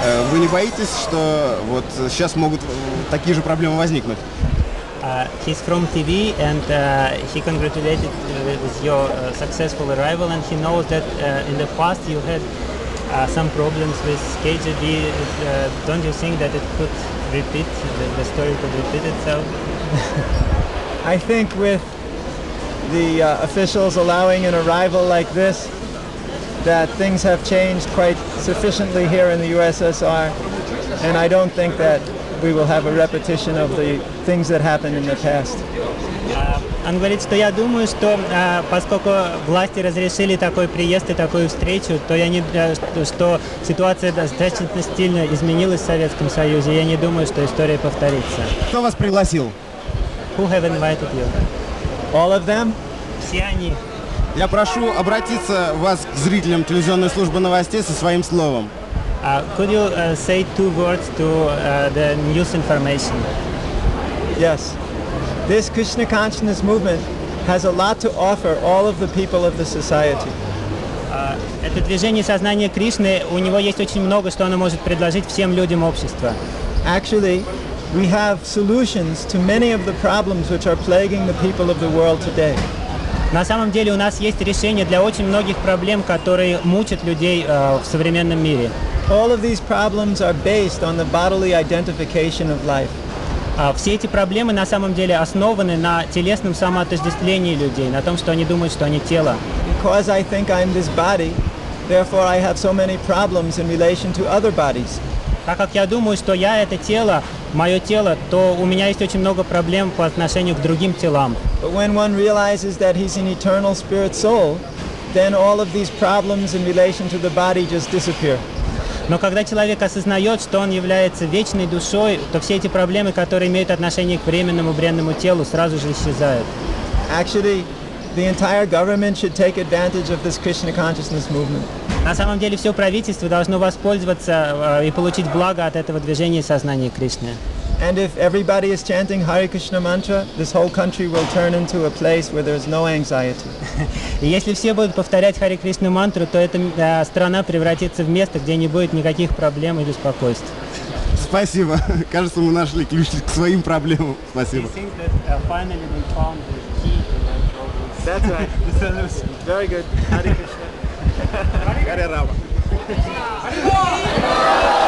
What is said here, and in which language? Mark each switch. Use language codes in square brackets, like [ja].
[ru] Вы не боитесь, что вот сейчас могут такие же проблемы возникнуть? [en] He's from TV and he congratulated with your successful arrival and he knows that in the past you had some problems with KGB. Don't you think that it could repeat, the story could repeat itself? I think with the officials allowing an arrival like this, that things have changed quite sufficiently here in the USSR, and I don't think that we will have a repetition of the things that happened in the past. [ru] Он говорит, что я думаю, что поскольку власти разрешили такой приезд и такую встречу, то я не что ситуация достаточно сильно изменилась в Советском Союзе. Я не думаю, что история повторится. Кто вас пригласил? [en] Who have invited you? All of them? [ru] Все они. Я прошу обратиться вас к зрителям телевизионной службы новостей со своим словом. [en] Could you say two words to the news information? Yes. This Krishna consciousness movement has a lot to offer all of the people of the society. [ru] Это движение сознания Кришны, у него есть очень много, что оно может предложить всем людям общества. [en] Actually, we have solutions to many of the problems which are plaguing the people of the world today. [ru] На самом деле у нас есть решение для очень многих проблем, которые мучат людей в современном мире. [en] All of these problems are based on the bodily identification of life. [ru] Все эти проблемы на самом деле основаны на телесном самоотождествлении людей, на том, что они думают, что они тело. [en] Because I think I'm this body, therefore I have so many problems in relation to other bodies. [ru] Так как я думаю, что я это тело, мое тело, то у меня есть очень много проблем по отношению к другим телам. [en] But when one realizes that he's an eternal spirit soul, then all of these problems in relation to the body just disappear. [ru] Но когда человек осознает, что он является вечной душой, то все эти проблемы, которые имеют отношение к временному бренному телу, сразу же исчезают. [en] Actually, the entire government should take advantage of this Krishna consciousness movement. [ru] На самом деле, все правительство должно воспользоваться и получить благо от этого движения сознания Кришны. [en] And if everybody is chanting Hare Krishna mantra, this whole country will turn into a place where there is no anxiety. [ru] Если все будут повторять Hare Krishna мантру, то эта страна превратится в место, где не будет никаких проблем и беспокойств. Спасибо. Кажется, мы нашли ключ к своим проблемам. Спасибо. [en] That's right. Very good. Hare Krishna. Hare Rama.